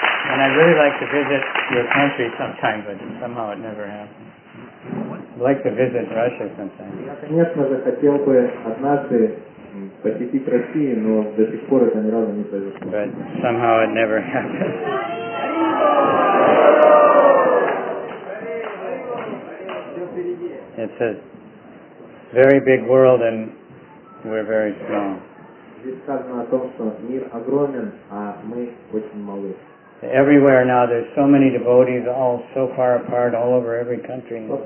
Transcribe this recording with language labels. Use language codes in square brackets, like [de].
[en] And I'd really like to visit your country sometime, but somehow it never happens. I'd like to visit Russia sometime. [ru] Конечно же, хотел бы однажды посетить Россию, но до сих пор это ни разу не произошло. [en] But somehow it never happens. It's a very big world and we're very small. [ru] Здесь сказано о том, что мир огромен, а мы очень малы. [en] Everywhere now there's so many devotees all so far apart all over every country.